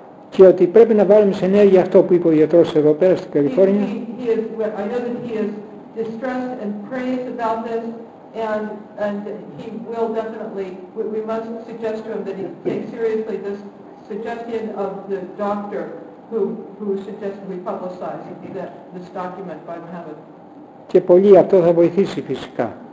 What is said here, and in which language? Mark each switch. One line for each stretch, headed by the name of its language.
Greek: Και ότι πρέπει να βάλουμε σε ενέργεια αυτό που είπε ο γιατρός εδώ πέρα στην Καλιφόρνια.
English: I know that he is distressed and prays about this. And he will definitely, we must suggest to him that he take seriously this suggestion of the doctor who suggested we publicize this document by Mohammed.
Greek: Και πολύ, αυτό θα βοηθήσει φυσικά.